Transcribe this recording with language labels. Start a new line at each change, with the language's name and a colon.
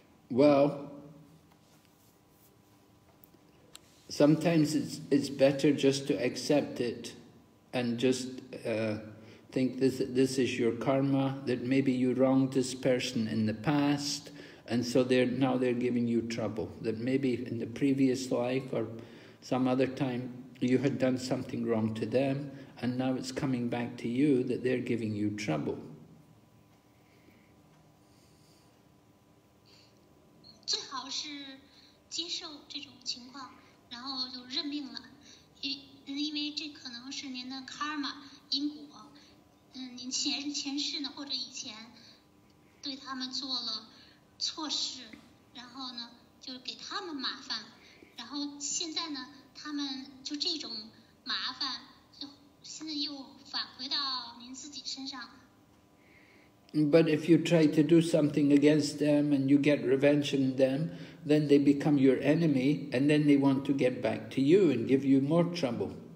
English: Well, sometimes it's better just to accept it and just think this is your karma, that maybe you wronged this person in the past, and so now they're giving you trouble, that maybe in the previous life or some other time you had done something wrong to them, and now it's coming back to you that they're giving you trouble.
Chinese: 最好是接受这种情况，然后就认命了，因为这可能是您的 karma 因果，您前世呢或者以前对他们做了错事，然后呢就给他们麻烦，然后现在呢他们就这种麻烦就现在又返回到您自己身上。
English: But if you try to do something against them and you get revenge on them, then they become your enemy, and then they want to get back to you and give you more trouble.